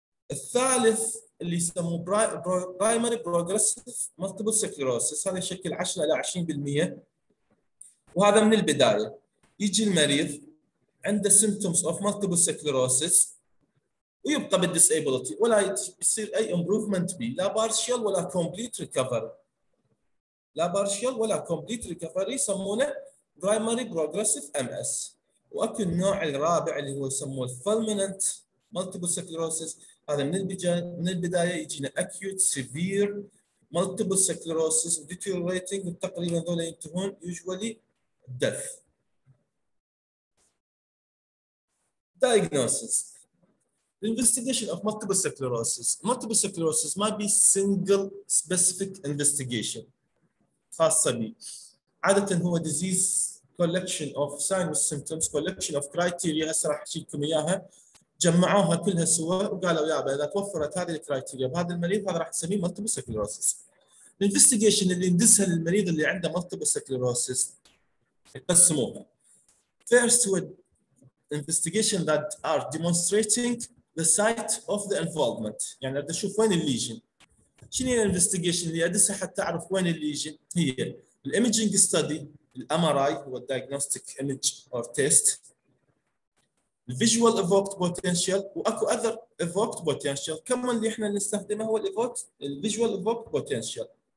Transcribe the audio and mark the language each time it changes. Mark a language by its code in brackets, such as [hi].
[ar] الثالث اللي يسموه primary progressive multiple sclerosis، هذا يشكل 10 إلى 20% وهذا من البداية، يجي المريض عنده [en] symptoms of multiple sclerosis [ar] ويبقى بالديسابيلتي ولا يصير اي امبروفمنت بي، لا بارشال ولا كومبليت ريكفري، لا بارشال ولا كومبليت ريكفري، يسمونه برايمري بروجريسيف ام اس. واكو النوع الرابع اللي هو يسموه فالمننت مالتيبل سكليروسيس، هذا من البدايه يجينا اكيوت سيفير ما [en] multiple sclerosis deteriorating [ar] تقريبا هذول ينتهون [en] usually death. Diagnosis. The investigation of multiple sclerosis. Multiple sclerosis might be single specific investigation. [ar] خاصة بي. عادة هو [en] disease collection of signs and symptoms, collection of criteria [ar] هسه راح احكي لكم اياها. جمعوها كلها سوا وقالوا يابا اذا توفرت هذه الكرايتيريا بهذا المريض هذا راح نسميه multiple sclerosis. الانفستيجيشن اللي ندسها للمريض اللي عنده multiple sclerosis يقسموها. [en] First investigation that are demonstrating the site of the involvement. [ar] يعني بدي اشوف وين الليجن. شنو هي الانفستيجيشن اللي ادسها حتى اعرف وين الليجن؟ هي الايمجينج ستدي الام ار اي هو الدايجنوستيك ايمج اور تيست. الفيجوال ايفوكت بوتنشال واكو اذر ايفوكت بوتنشال كمان اللي احنا نستخدمه هو الفيجوال ايفوكت بوتنشال.